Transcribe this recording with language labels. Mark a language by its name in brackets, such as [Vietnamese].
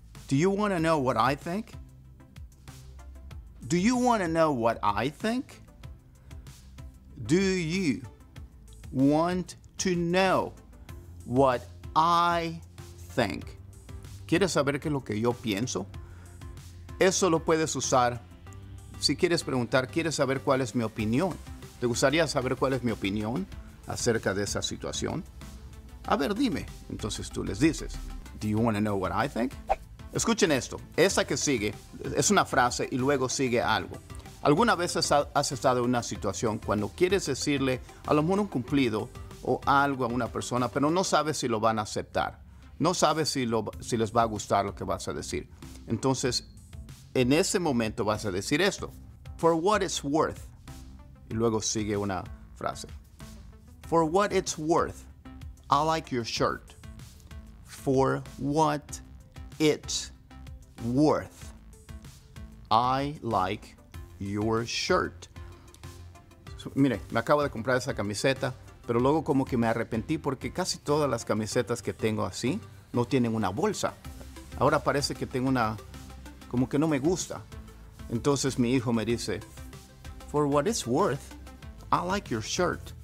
[English] Do you want to know what I think? Do you want to know what I think? Do you want to know what I think? [Spanish] ¿Quieres saber qué es lo que yo pienso? Eso lo puedes usar si quieres preguntar, ¿quieres saber cuál es mi opinión? ¿Te gustaría saber cuál es mi opinión acerca de esa situación? A ver, dime. Entonces tú les dices, [English] do you want to know what I think? [Spanish] Escuchen esto. Esa que sigue es una frase y luego sigue algo. ¿Alguna vez has estado en una situación cuando quieres decirle a lo mejor un cumplido o algo a una persona, pero no sabes si lo van a aceptar? No sabes si les va a gustar lo que vas a decir. Entonces, en ese momento vas a decir esto. [English] For what it's worth. [Spanish] Y luego sigue una frase. [English] For what it's worth, I like your shirt. For what it's worth, I like your shirt. [Spanish] Mire, me acabo de comprar esa camiseta, pero luego como que me arrepentí porque casi todas las camisetas que tengo así no tienen una bolsa. Ahora parece que tengo una, como que no me gusta. Entonces mi hijo me dice, [English] for what it's worth, I like your shirt.